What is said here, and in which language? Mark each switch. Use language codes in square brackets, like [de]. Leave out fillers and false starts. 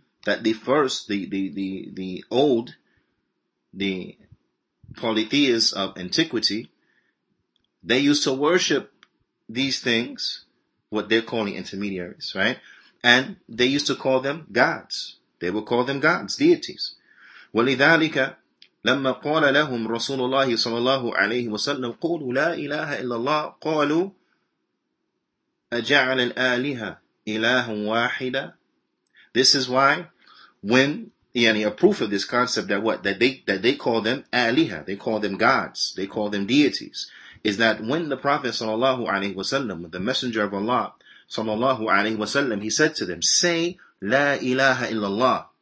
[en] That the first, the polytheists of antiquity, they used to worship these things, what they're calling intermediaries, right? And they used to call them gods. They would call them gods, deities. [ar] ولذلك لما قال لهم رسول الله صلى الله عليه وسلم قولوا لا إله إلا الله قالوا أجعل الآلهة إله واحدة. [en] This is why, when yani a proof of this concept that what that they call them آلهة, they call them gods, they call them deities, is that when the Prophet sallallahu alaihi wasallam, the Messenger of Allah sallallahu alaihi wasallam, he said to them, "Say la ilaha illallah."